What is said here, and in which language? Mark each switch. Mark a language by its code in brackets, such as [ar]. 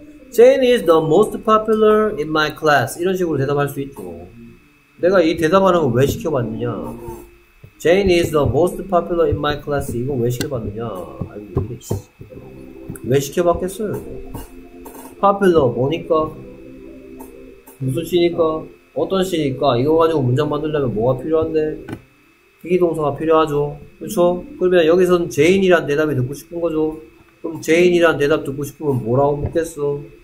[en] Jane is the most popular in my class. [ko] 이런 식으로 대답할 수 있죠. 내가 이 대답하는 걸 왜 시켜봤느냐. [en] Jane is the most popular in my class. [ko] 이거 왜 시켜봤느냐. 아이고, 왜 시켜봤겠어요. Popular 뭐니까? 무슨 시니까? 어떤 시니까? 이거 가지고 문장 만들려면 뭐가 필요한데? 비기동사가 필요하죠. 그렇죠? 그러면 여기선 제인이란 대답이 듣고 싶은 거죠. 그럼 제인이란 대답 듣고 싶으면 뭐라고 묻겠어?